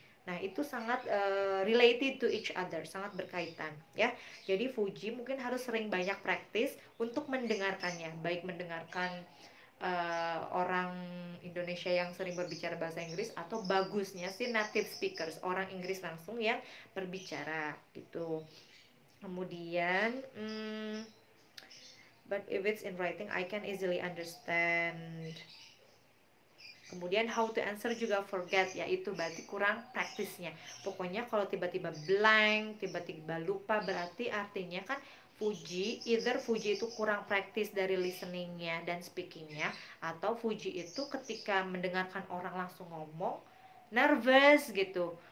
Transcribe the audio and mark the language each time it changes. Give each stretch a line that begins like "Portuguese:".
Indonesian: Nah, itu sangat
English: related to each other,
Indonesian: sangat berkaitan ya. Jadi Fuji mungkin harus sering banyak praktis untuk mendengarkannya, baik mendengarkan orang Indonesia. Indonesia yang sering berbicara bahasa Inggris, atau bagusnya sih native speakers, orang Inggris langsung yang berbicara gitu. Kemudian,
English: but if it's in writing, I can easily understand.
Indonesian: Kemudian,
English: how to answer
Indonesian: juga forget, yaitu berarti kurang praktisnya. Pokoknya kalau tiba-tiba blank, tiba-tiba lupa, berarti artinya kan Fuji, either Fuji itu kurang praktis dari listeningnya dan speakingnya, atau Fuji itu ketika mendengarkan orang langsung ngomong, nervous gitu.